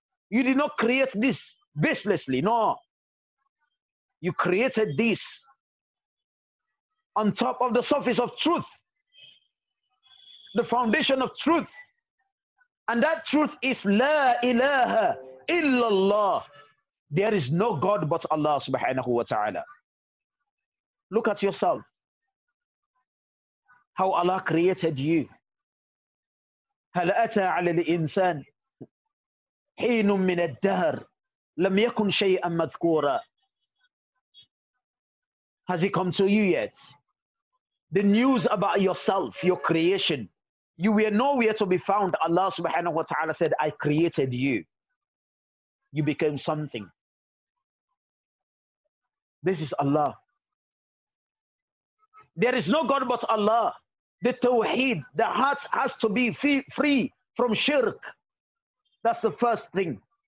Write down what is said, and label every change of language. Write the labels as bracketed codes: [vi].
[en] You did not create this baselessly, no. You created this on top of the surface of truth, the foundation of truth. And that truth is La ilaha illallah, there is no God but Allah subhanahu wa ta'ala. Look at yourself, how Allah created you. [ar] هل أتى على الإنسان حين من الدهر لم يكن شيئا مذكورا, [en] has he come to you yet? The news about yourself, your creation, you were nowhere to be found. Allah subhanahu wa ta'ala said, I created you. You became something. This is Allah. There is no God but Allah. The tawheed, the heart has to be free from shirk. That's the first thing.